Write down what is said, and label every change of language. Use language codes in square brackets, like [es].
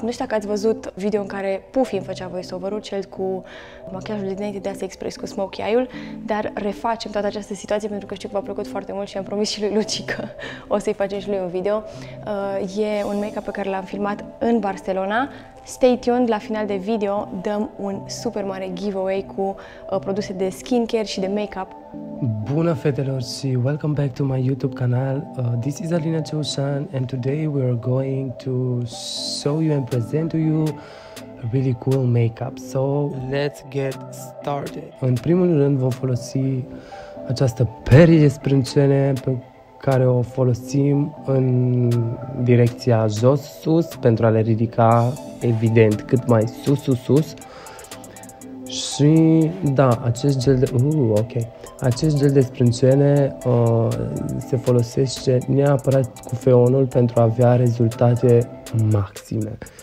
[ro] Nu știu dacă ați văzut video în care Pufeh îmi făcea voiceover-ul, cel cu machiajul dinainte de a se express cu smokey eye-ul, dar refacem toată această situație pentru că știu că v-a plăcut foarte mult și am promis și lui Luci că o să-i facem și lui un video. E un make-up pe care l-am filmat în Barcelona. [en] Stay tuned, [ro] la final de video dăm un super mare giveaway cu produse de skincare și de make-up. Bună fetelor și [en] welcome back to my YouTube canal. This is ALINA CEUSAN and today we are going to show you and present to you a really cool make-up. So let's get started. [ro] În primul rând vom folosi această perie sprâncene pe care o folosim în direcția jos-sus pentru a le ridica evident cât mai sus-sus-sus. Și da, acest gel de acest gel de sprâncene se folosește neapărat cu feonul pentru a avea rezultate maxime.